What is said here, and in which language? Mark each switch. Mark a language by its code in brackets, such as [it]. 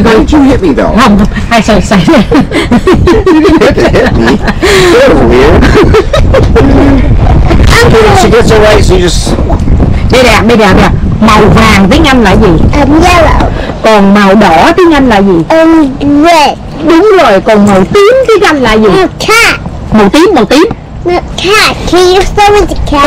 [en] Why did you hit me though? [vi] Không, [en] I said, say. You hit me. That's weird. She gets it right, so you just... [vi] Bây giờ. Màu vàng tiếng Anh là gì? [en] Yellow. [vi] Còn màu đỏ tiếng Anh là gì? [en] Red. [vi] Đúng rồi, còn màu tím tiếng Anh là gì? [en] Cat. [vi] Màu tím. [en] Cat, can you start with the cat?